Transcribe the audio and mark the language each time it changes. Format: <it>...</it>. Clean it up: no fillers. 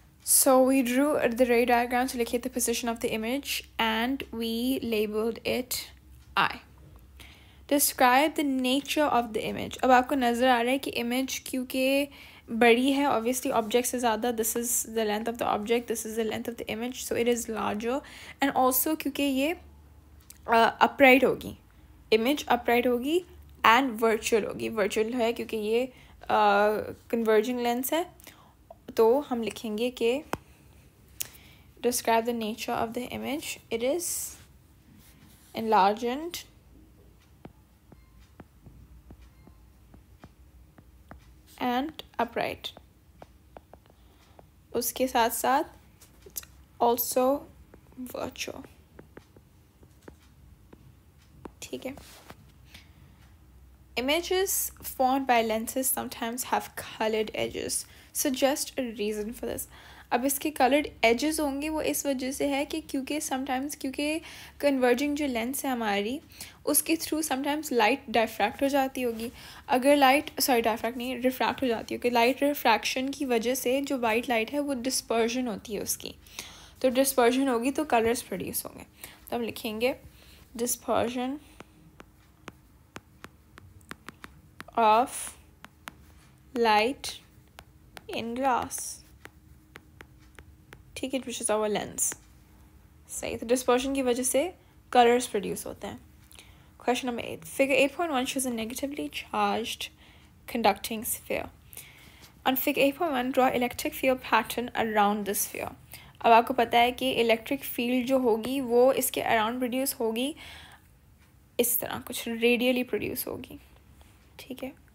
<en>So we drew the ray diagram to locate the position of the image and we labeled it I. Describe the nature of the image.</en> <hi>अब आपको नज़र आ रहा है कि image क्योंकि बड़ी है ऑब्वियसली ऑब्जेक्ट से ज़्यादा.</hi> <en>This is the length of the object, this is the length of the image, so it is larger.</en> <hi>And also क्योंकि ये अपराइट होगी, इमेज अपराइट होगी एंड वर्चुअल होगी. वर्चुअल है क्योंकि ये कन्वर्जिंग लेंस है. तो हम लिखेंगे कि</hi> <en>Describe the nature of the image, it is enlarged and upright.</en> <hi>उसके साथ साथ</hi> <en>It's also virtual.</en> <hi>ठीक है.</hi> <en>Images formed by lenses sometimes have colored edges. Suggest a reason for this.</en> <hi>अब इसके colored edges होंगे वो इस वजह से है कि क्योंकि sometimes क्योंकि converging जो lens है हमारी उसके through sometimes light diffract हो जाती होगी. अगर light refract हो जाती होगी, light refraction की वजह से जो white light है वो dispersion होती है उसकी, तो dispersion होगी तो colors produce होंगे. तो हम लिखेंगे</hi> <en>dispersion of light in glass. ठीक है, which is our lens.</en> <hi>सही, तो dispersion की वजह से colors produce होते हैं.</hi> <en>Question number 8. Figure 8.1 shows a negatively charged conducting sphere. On figure 8.1, draw electric field pattern around the sphere.</en> <hi>अब आपको पता है कि electric field जो होगी वो इसके around produce होगी इस तरह, कुछ radially produce होगी. ठीक है.</hi>